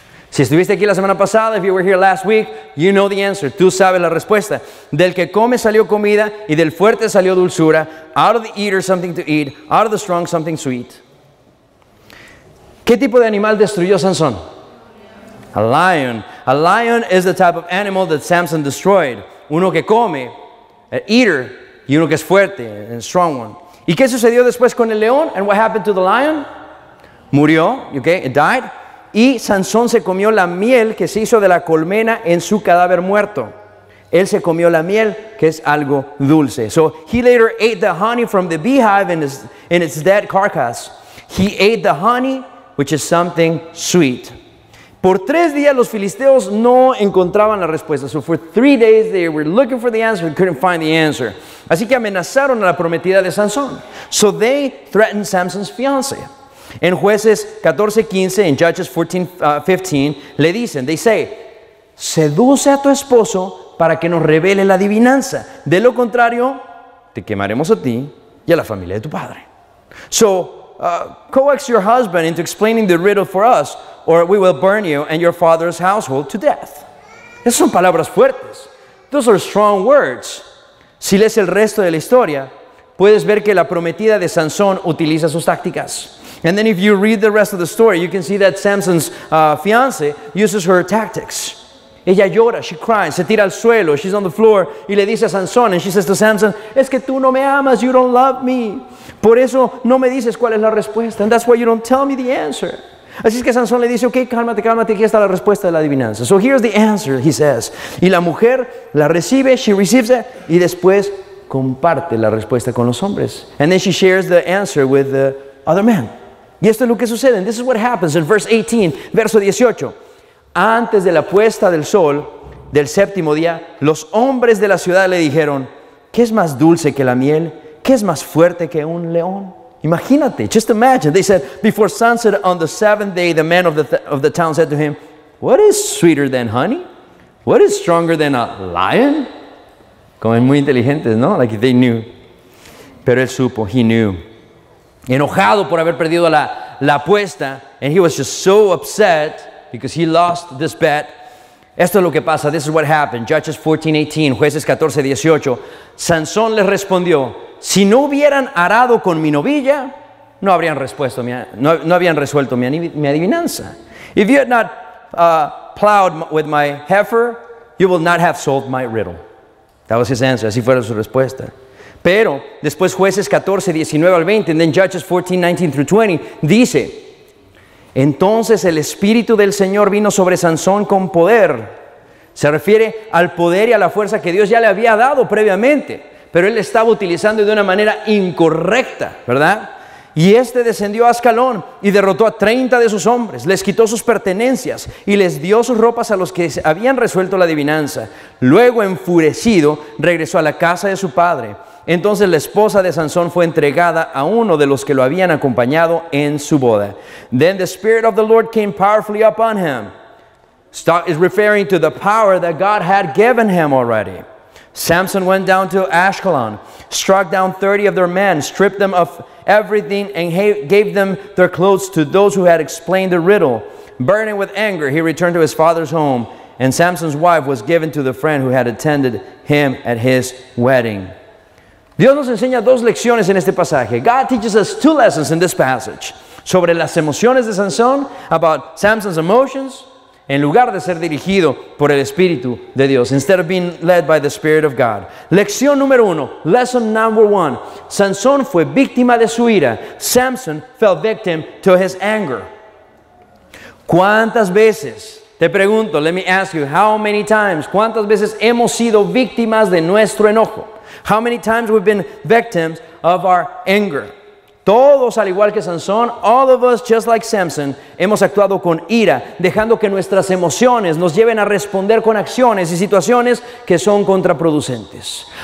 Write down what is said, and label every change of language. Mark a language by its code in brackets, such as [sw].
[es] Si estuviste aquí la semana pasada, [en] if you were here last week, you know the answer. [es] Tú sabes la respuesta. Del que come salió comida y del fuerte salió dulzura. [en] Out of the eater something to eat, out of the strong something sweet. [es] ¿Qué tipo de animal destruyó Sansón? [en] A lion. A lion is the type of animal that Samson destroyed. [es] Uno que come, [en] an eater, [es] y uno que es fuerte, [en] a strong one. [es] ¿Y qué sucedió después con el león? [en] And what happened to the lion? [es] Murió, [en] okay, it died. [es] Y Sansón se comió la miel que se hizo de la colmena en su cadáver muerto. Él se comió la miel, que es algo dulce. [en] So he later ate the honey from the beehive in its dead carcass. He ate the honey, which is something sweet. [es] Por tres días los filisteos no encontraban la respuesta. [en] So for 3 days they were looking for the answer and couldn't find the answer. [es] Así que amenazaron a la prometida de Sansón. [en] So they threatened Samson's fiance. [es] En Jueces 14:15, en Judges 14:15, le dicen, [en] they say, [es] seduce a tu esposo para que nos revele la adivinanza. De lo contrario, te quemaremos a ti y a la familia de tu padre. [en] So, coax your husband into explaining the riddle for us, or we will burn you and your father's household to death. [es] Esas son palabras fuertes. [en] Those are strong words. [es] Si lees el resto de la historia, puedes ver que la prometida de Sansón utiliza sus tácticas. [en] And then if you read the rest of the story, you can see that Samson's fiance uses her tactics. [es] Ella llora, [en] she cries, [es] se tira al suelo, [en] she's on the floor, [es] y le dice a Sansón, [en] and she says to Samson, [es] es que tú no me amas, [en] you don't love me. [es] Por eso no me dices cuál es la respuesta, [en] and that's why you don't tell me the answer. [es] Así es que Sansón le dice, okay, cálmate, cálmate, aquí está la respuesta de la adivinanza. [en] So here's the answer, he says. [es] Y la mujer la recibe, [en] she receives it, [es] y después comparte la respuesta con los hombres. [en] And then she shares the answer with the other man. [es] Y esto es lo que sucede. [en] And this is what happens in verse 18. [es] Verso 18. Antes de la puesta del sol, del séptimo día, los hombres de la ciudad le dijeron, ¿qué es más dulce que la miel? ¿Qué es más fuerte que un león? Imagínate, [en] just imagine. They said, before sunset on the seventh day, the men of the town said to him, what is sweeter than honey? What is stronger than a lion? [es] Como muy inteligentes, ¿no? [en] Like they knew. [es] Pero él supo, [en] he knew. [es] Enojado por haber perdido la apuesta, [en] and he was just so upset because he lost this bet. [es] Esto es lo que pasa, [en] this is what happened. [es] Judges 14:18, Jueces 14:18. Sansón les respondió, si no hubieran arado con mi novilla, no habrían resuelto mi adivinanza. [en] If you had not plowed with my heifer, you will not have solved my riddle. That was his answer, [es] así fue su respuesta. Pero después Jueces 14:19-20, [en] and then Judges 14:19-20, [es] dice, entonces el Espíritu del Señor vino sobre Sansón con poder. Se refiere al poder y a la fuerza que Dios ya le había dado previamente, pero él estaba utilizando de una manera incorrecta, ¿verdad? Y este descendió a Ascalón y derrotó a 30 de sus hombres, les quitó sus pertenencias y les dio sus ropas a los que habían resuelto la adivinanza. Luego, enfurecido, regresó a la casa de su padre. Entonces la esposa de Sansón fue entregada a uno de los que lo habían acompañado en su boda. [en] Then the Spirit of the Lord came powerfully upon him. Stop is referring to the power that God had given him already. Samson went down to Ashkelon, struck down 30 of their men, stripped them of everything, and gave them their clothes to those who had explained the riddle. Burning with anger, he returned to his father's home, and Samson's wife was given to the friend who had attended him at his wedding. [es] Dios nos enseña dos lecciones en este pasaje. [en] God teaches us two lessons in this passage. [es] Sobre las emociones de Sansón, [en] about Samson's emotions, [es] en lugar de ser dirigido por el Espíritu de Dios, [en] instead of being led by the Spirit of God. [es] Lección número uno, [en] lesson number one. [es] Sansón fue víctima de su ira. [en] Samson fell victim to his anger. [es] ¿Cuántas veces? Te pregunto, [en] let me ask you, how many times, [es] ¿cuántas veces hemos sido víctimas de nuestro enojo? [en] How many times we've been victims of our anger? [es] Todos, al igual que Sansón, [en] all of us, just like Samson, [es] hemos actuado con ira, dejando que nuestras emociones nos lleven a responder con acciones y situaciones que son contraproducentes.